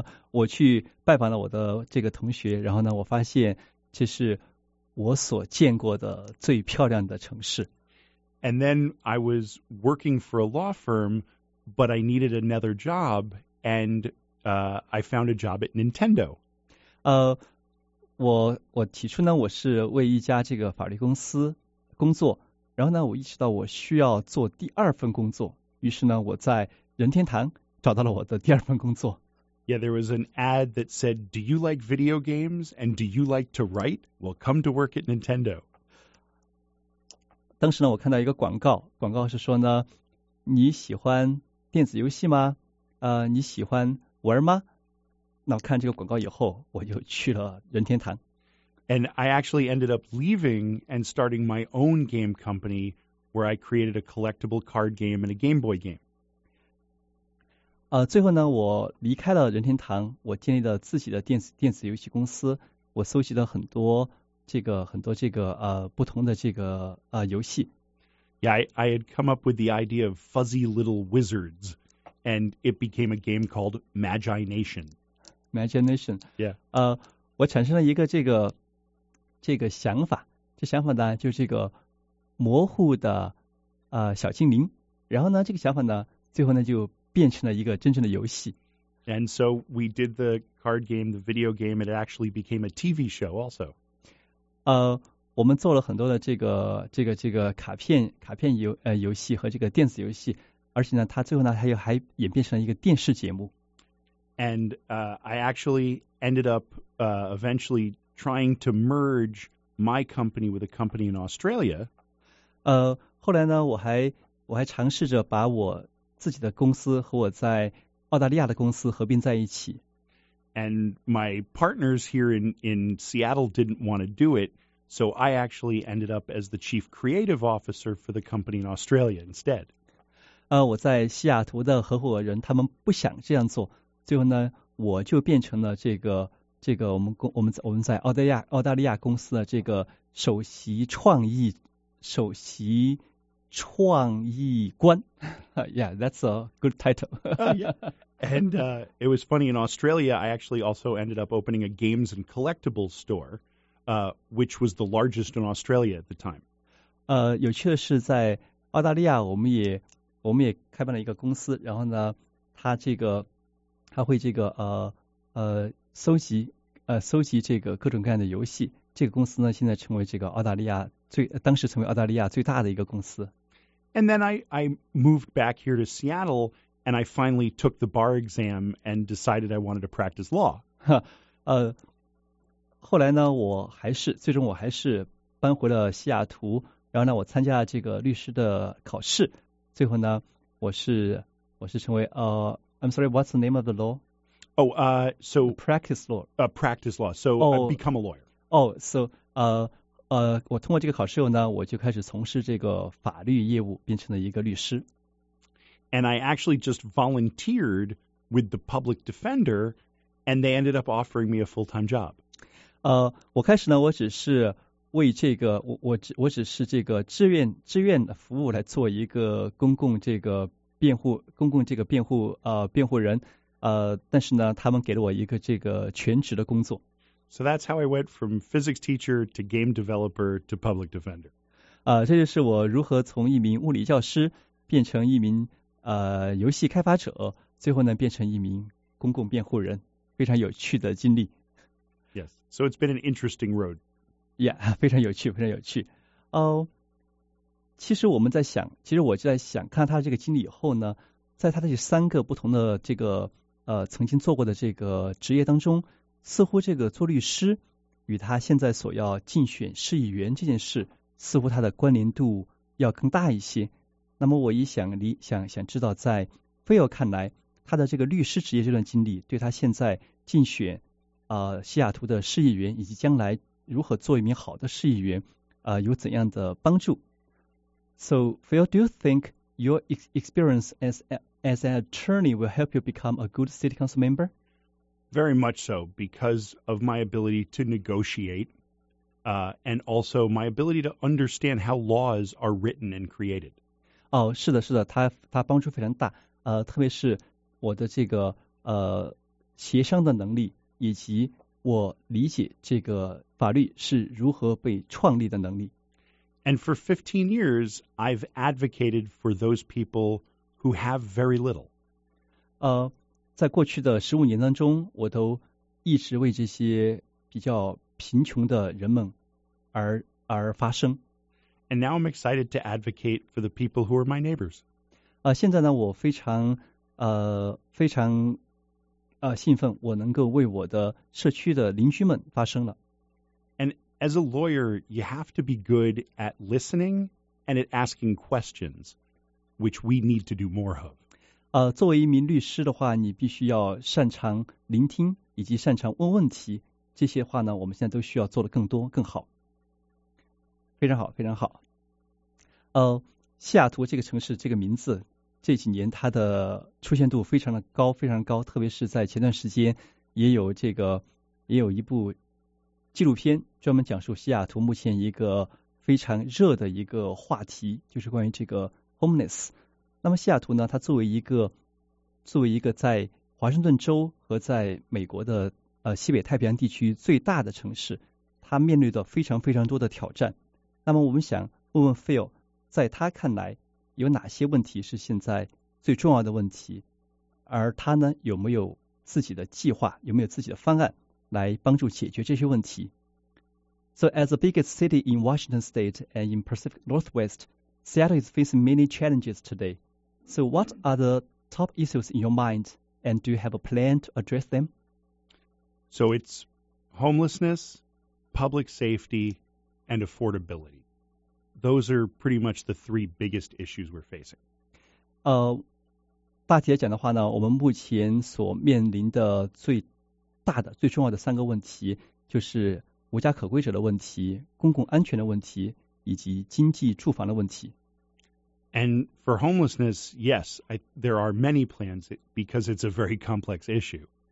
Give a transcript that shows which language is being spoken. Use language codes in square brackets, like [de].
[zh] 我去拜访了我的这个同学，然后呢，我发现这是我所见过的最漂亮的城市。 [en] And then I was working for a law firm, but I needed another job, and I found a job at Nintendo. [zh] 我起初呢，我是为一家这个法律公司工作，然后呢，我意识到我需要做第二份工作，于是呢，我在任天堂找到了我的第二份工作。 [en] Yeah, there was an ad that said, "Do you like video games and do you like to write? Well, come to work at Nintendo." [zh] 当时呢，我看到一个广告，广告是说呢，你喜欢电子游戏吗？你喜欢玩吗？那我看这个广告以后，我就去了任天堂。 [en] And I actually ended up leaving and starting my own game company, where I created a collectible card game and a Game Boy game. [zh] 最后呢，我离开了任天堂，我建立了自己的电子游戏公司，我搜集了很多这个不同的这个游戏。 [en] Yeah, I had come up with the idea of fuzzy little wizards, and it became a game called Magi Nation. Magi Nation. Yeah. [zh] 我产生了一个这个想法，这想法呢，就是这个模糊的小精灵，然后呢，这个想法呢，最后呢就变成了一个真正的游戏。 [en] And so we did the card game, the video game, and it actually became a TV show also. [zh] 我们做了很多的这个卡片游戏和这个电子游戏，而且呢，它最后呢还演变成了一个电视节目。 [en] And I actually ended up eventually trying to merge my company with a company in Australia. [zh] 后来呢，我还尝试着把我自己的公司和我在澳大利亚的公司合并在一起。 [en] And my partners here in Seattle didn't want to do it, so I actually ended up as the chief creative officer for the company in Australia instead. [zh] 我在西雅图的合伙人他们不想这样做，最后呢，我就变成了这个我们在澳大利亚公司的这个首席创意官。 [en] Yeah, that's a good title. And it was funny, in Australia, I actually also ended up opening a games and collectibles store, which was the largest in Australia at the time. [zh] 有趣的是在澳大利亚我们也开办了一个公司，然后呢，他会收集这个各种各样的游戏。这个公司呢，现在成为这个澳大利亚最，当时成为澳大利亚最大的一个公司。 [en] And then I moved back here to Seattle, and I finally took the bar exam and decided I wanted to practice law. [zh] 后来呢，我还是最终搬回了西雅图，然后呢，我参加了这个律师的考试。最后呢，我是成为 [en] I'm sorry, what's the name of the law? So practice law. Practice law. So oh, I've become a lawyer. Oh, so [zh] 我通过这个考试后呢，我就开始从事这个法律业务，变成了一个律师。 [en] And I actually just volunteered with the public defender, and they ended up offering me a full-time job. [zh] 我开始呢，我只是为这个我只是这个志愿的服务来做一个公共辩护人，但是呢，他们给了我一个这个全职的工作。 [en] So that's how I went from physics teacher to game developer to public defender. [zh] 这就是我如何从一名物理教师变成一名游戏开发者，最后呢变成一名公共辩护人，非常有趣的经历。 [en] Yes, so it's been an interesting road. [zh] Yeah, 非常有趣，非常有趣。其实我在想，看他这个经历以后呢，在他的这三个不同的这个曾经做过的这个职业当中，似乎这个做律师与他现在所要竞选市议员这件事，似乎他的关联度要更大一些。那么我也想知道，在菲尔看来，他的这个律师职业这段经历，对他现在竞选西雅图的市议员，以及将来如何做一名好的市议员，有怎样的帮助？ [en] So, Phil, do you think your experience as an attorney will help you become a good city council member? Very much so, because of my ability to negotiate, and also my ability to understand how laws are written and created. [zh] 是的，是的，他帮助非常大，特别是我的这个协商的能力，以及我理解这个法律是如何被创立的能力。 [en] And for 15 years, I've advocated for those people who have very little. [zh] 在过去的15年当中，我都一直为这些比较贫穷的人们而发声。 [en] And now I'm excited to advocate for the people who are my neighbors. [zh] 现在呢，我非常非常兴奋，我能够为我的社区的邻居们发声了。 [en] And as a lawyer, you have to be good at listening and at asking questions, which we need to do more of. [zh] 作为一名律师的话，你必须要擅长聆听以及擅长问问题。这些话呢，我们现在都需要做得更多更好。非常好，非常好。西雅图这个城市这个名字，这几年它的出现度非常的高，非常高。特别是在前段时间，也有一部纪录片专门讲述西雅图目前一个非常热的一个话题，就是关于这个 homeless。那么西雅图呢，它作为一个在华盛顿州和在美国的西北太平洋地区最大的城市，它面对着非常非常多的挑战。那么我们想问问 Phil， 在他看来有哪些问题是现在最重要的问题，而他呢有没有自己的计划，有没有自己的方案来帮助解决这些问题。 [en] So as the biggest city in Washington State and in Pacific Northwest, Seattle is facing many challenges today. So what are the top issues in your mind, and do you have a plan to address them? So it's homelessness, public safety, and affordability. Those are pretty much the three biggest issues we're facing. [zh] 大体来讲的话呢，我们目前所面临的最大的、最重要的三个问题，就是无家可归者的问题、公共安全的问题以及经济住房的问题。 [en] And for homelessness, yes, there are many plans because it's a very complex issue.